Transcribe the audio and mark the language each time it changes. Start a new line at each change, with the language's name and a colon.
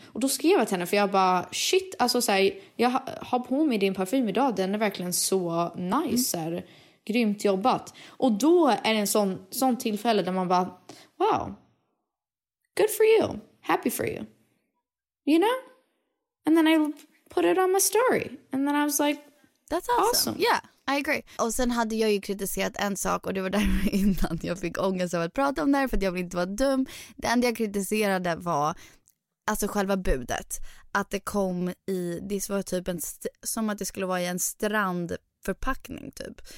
Swedish: Och då skrev jag till henne, för jag bara, shit, alltså så här, jag har på mig din parfym idag, den är verkligen så nice, så här, grymt jobbat. Och då är det en sån tillfälle där man bara,
English: wow, good for you, happy for you, you know? And then I put it on my story, and then I was like, that's awesome, yeah. I agree.
Swedish: Och sen hade jag ju kritiserat en sak, och det var där innan jag fick ångest av att prata om det här, för att jag ville inte vara dum. Det enda jag kritiserade var alltså själva budet. Att det kom i, det var typ en som att det skulle vara i en strandförpackning typ.